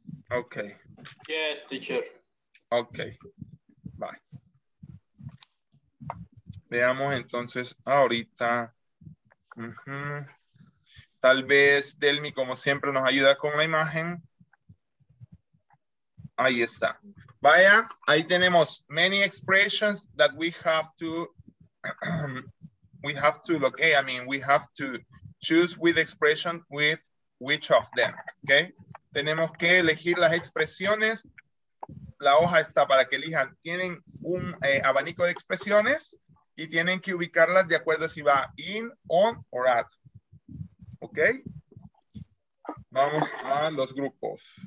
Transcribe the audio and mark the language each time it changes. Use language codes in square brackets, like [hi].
[en] Okay. Yes, teacher. Okay. [es] Veamos entonces ahorita. Tal vez Delmi, como siempre, nos ayuda con la imagen. Ahí está. Vaya, ahí tenemos [en] many expressions that we have to we have to choose with expression with which of them, okay? [es] Tenemos que elegir las expresiones. La hoja está para que elijan. Tienen un abanico de expresiones y tienen que ubicarlas de acuerdo a si va in, on or at. Okay? Vamos a los grupos.